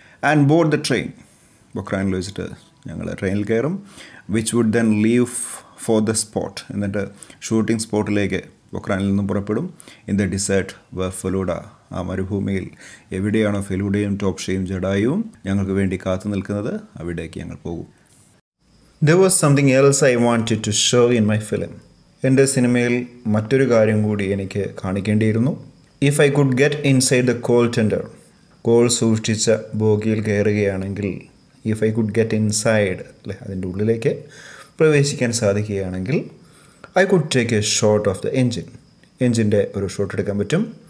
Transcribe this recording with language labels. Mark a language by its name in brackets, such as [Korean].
[English] and board the train, [Malayalam] പൊക്രാനിൽ വെച്ചിട്ട് ഞങ്ങൾ ട്രെയിനിൽ കയറും. [English] which would then leave for the spot, [Malayalam] എന്നിട്ട് ഷൂട്ടിംഗ് സ്പോട്ടിലേക്ക് പൊക്രാനിൽ നിന്നും പുറപ്പെടും. [English] in the desert where Feluda, [Malayalam] ആ മരുഭൂമിയിൽ എവിടെയാണോ ഫെലൂഡയും ടോപ്ഷയും ജഡായും ഞങ്ങൾക്ക് വേണ്ടി കാത്തു നിൽക്കുന്നത്, അവിടേക്ക് ഞങ്ങൾ പോകും. [English] There was something else I wanted to show in my film. [Malayalam] എൻ്റെ സിനിമയിൽ മറ്റൊരു കാര്യം കൂടി എനിക്ക് കാണിക്കേണ്ടിയിരുന്നു. [English] if I could get inside the coal tender, [Malayalam] call സൂക്ഷിച്ച ബോഗിയിൽ കയറുകയാണെങ്കിൽ, [English] if I could get inside, [Malayalam] അല്ലെ, അതിൻ്റെ ഉള്ളിലേക്ക് പ്രവേശിക്കാൻ സാധിക്കുകയാണെങ്കിൽ, [English] I could take a shot of the engine, [Malayalam] എൻജിൻ്റെ ഒരു ഷോട്ട് എടുക്കാൻ പറ്റും.